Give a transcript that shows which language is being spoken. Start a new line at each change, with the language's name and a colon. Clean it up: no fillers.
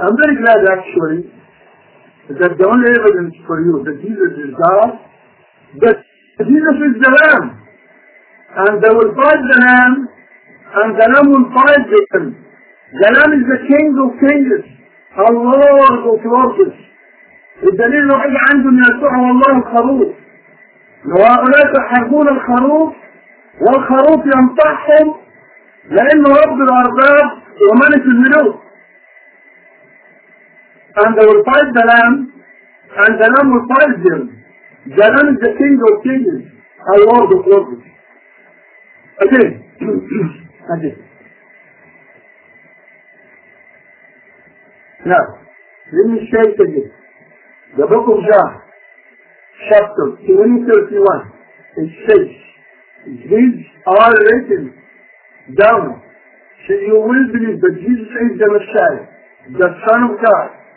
English: I'm very glad actually that the only evidence for you that Jesus is God, that Jesus is the Lamb, and they will fight the Lamb, and the Lamb will fight them. The Lamb is the King of Kings, Lord of Lords.
Arabic: الدليل الوحيد عنده من يسوع هو الله الخروف. وهؤلاء يحاربون الخروف والخروف ينطحهم لأنه رب الأرباب وملك الملوك.
English: And they will fight the Lamb, and the Lamb will fight them. The Lamb is the King of Kings, the Lord of Lords. Okay. Okay. Now, let me say it again. The book of John, chapter 20:31, it says, these are written down, so you will believe that Jesus is the Messiah, the Son of God.